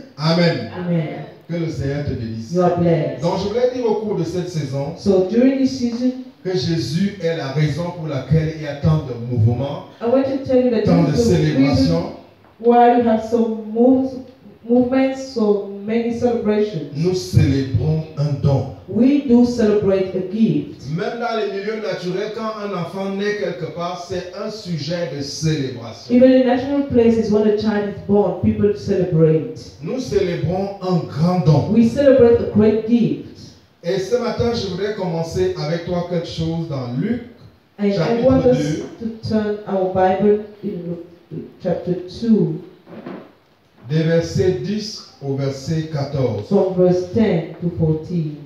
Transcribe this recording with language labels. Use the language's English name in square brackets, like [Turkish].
[French] Amen. Amen. Que le Seigneur te bénisse. [English] You are blessed. [French] Donc je voulais dire au cours de cette saison, [English] so during this season, [French] que Jésus est la raison pour laquelle il y a tant de mouvements, [English] I want to tell you that [French] tant de célébrations. [English] Why we have so movements, so many celebrations. [French] Nous célébrons un don. [English] We do celebrate a gift. [French] Même dans les milieux naturels, quand un enfant naît quelque part, c'est un sujet de célébration. [English] Even in natural places, when a child is born, people celebrate. [French] Nous célébrons un grand don. [English] We celebrate a great gift. [French] Et ce matin, je voudrais commencer avec toi quelque chose dans Luc, [English] and [French] chapitre 2. [English] I want [French] 2. [English] Us to turn our Bible in chapter 2. [French] Des versets 10 au verset 14. [English] From verse 10 to 14.